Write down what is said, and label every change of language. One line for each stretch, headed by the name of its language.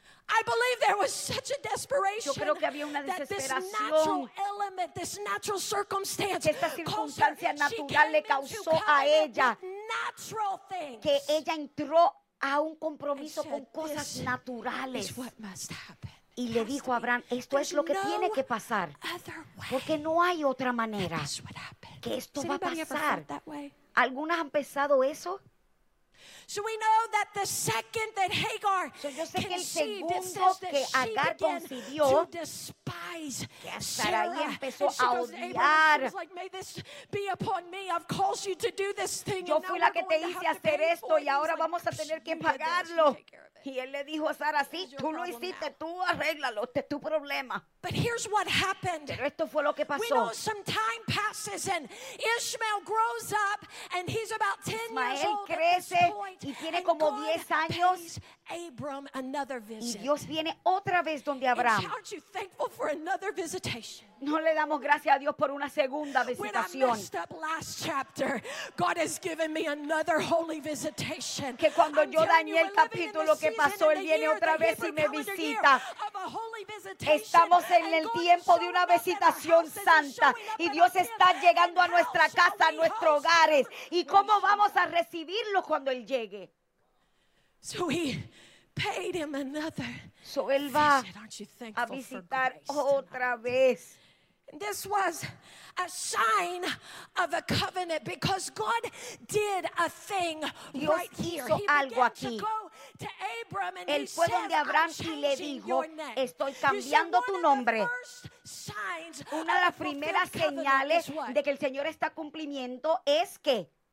English: I believe there was such a desperation.
Spanish: Yo creo que había una desesperación.
English: That this natural element, this natural circumstance,
Spanish: esta circunstancia natural le causó a ella que ella entró a un compromiso con cosas naturales y le dijo a Abraham, esto es lo que tiene que pasar porque no hay otra manera que esto va a pasar. ¿Algunas han pensado eso?
English: So we know that the second that Hagar conceived, it says that she began to despise Sarah. And she goes, Abraham was like, may this be upon me. I've caused you to do this thing.
Spanish: Yo fui la que te hice hacer esto y ahora vamos a tener que pagarlo. Y él le dijo a Sara, sí, tú lo hiciste, tú arréglalo, este es tu problema.
English: But here's what happened.
Spanish: Pero esto fue lo que pasó.
English: We know some time passes and Ishmael grows up and he's about 10 years old.
Spanish: Crece y tiene como 10 años.
English: Abram another visit.
Spanish: Y Dios viene otra vez donde Abraham.
English: And aren't you thankful for another visitation?
Spanish: No le damos gracias a Dios por una segunda visitación.
English: When I messed up last chapter, God has given me another holy visitation.
Spanish: Que cuando yo dañé el capítulo que pasó, él viene otra vez y me visita. Estamos en el tiempo de una visitación santa y Dios está llegando a nuestra casa, a nuestros hogares. ¿Y cómo vamos a recibirlo cuando él llegue?
English: So he paid him another.
Spanish: So él va a visitar otra vez.
English: This was a sign of a covenant because God did a thing right here.
Spanish: Dios hizo algo aquí. Él fue donde Abraham y le dijo, estoy cambiando tu nombre. Una de las primeras señales de que el Señor está cumpliendo es que